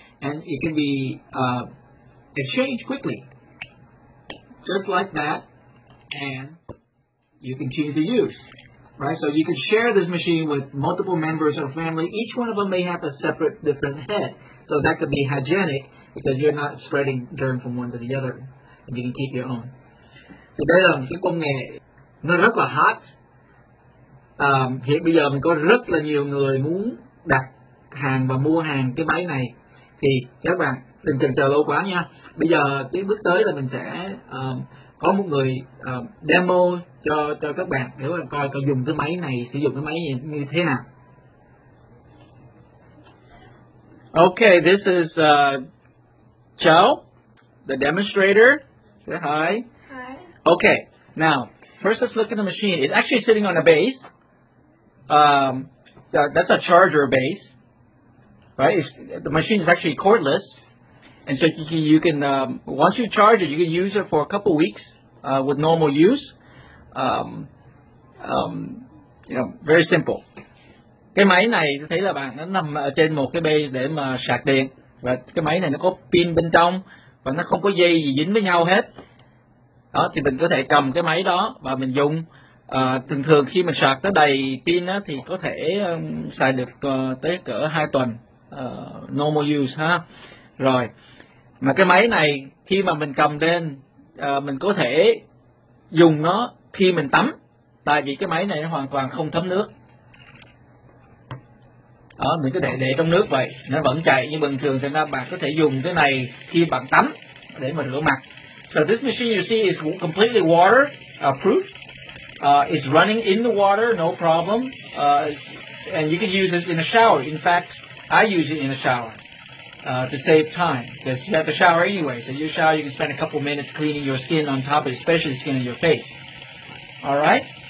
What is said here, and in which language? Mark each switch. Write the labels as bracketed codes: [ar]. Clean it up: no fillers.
[en] And it can be exchanged quickly, just like that, and you continue to use. Right, so you can share this machine with multiple members or family. Each one of them may have a separate, different head. So that could be hygienic because you're not spreading germ from one to the other. And you can keep your own. [vi] Thì đây là một cái công nghệ nó rất là hot. Hiện bây giờ mình có rất là nhiều người muốn đặt hàng và mua hàng cái máy này. Thì các bạn đừng chần chờ lâu quá nha. Bây giờ cái bước tới là mình sẽ có một người demo cho các bạn để các bạn coi có dùng cái máy này, sử dụng cái máy này như thế nào. [en] Okay, this is Chow, the demonstrator. Say hi. Hi. Okay, now, first let's look at the machine. It's actually sitting on a base. That's a charger base. Right? The machine is actually cordless. And so you can, once you charge it, you can use it for a couple weeks with normal use. Very simple. [vi] Cái máy này tôi thấy là bạn nó nằm ở trên một cái base để mà sạc điện. Và cái máy này nó có pin bên trong và nó không có dây gì dính với nhau hết. Đó, thì mình có thể cầm cái máy đó và mình dùng. Thường thường khi mình sạc tới đầy pin á, thì có thể xài được tới cỡ 2 tuần [en] normal use [vi] ha. Rồi, mà cái máy này khi mà mình cầm lên, mình có thể dùng nó khi mình tắm, tại vì cái máy này nó hoàn toàn không thấm nước. Đó, mình cứ để trong nước vậy, nó vẫn chạy. Nhưng bình thường thì bạn có thể dùng cái này khi bạn tắm để mà rửa mặt. [en] So this machine you see is completely water proof. It's running in the water, no problem. And you can use this in a shower. In fact, I use it in a shower to save time. Because you have to shower anyway. So you shower, you can spend a couple minutes cleaning your skin on top, especially the skin on your face. All right.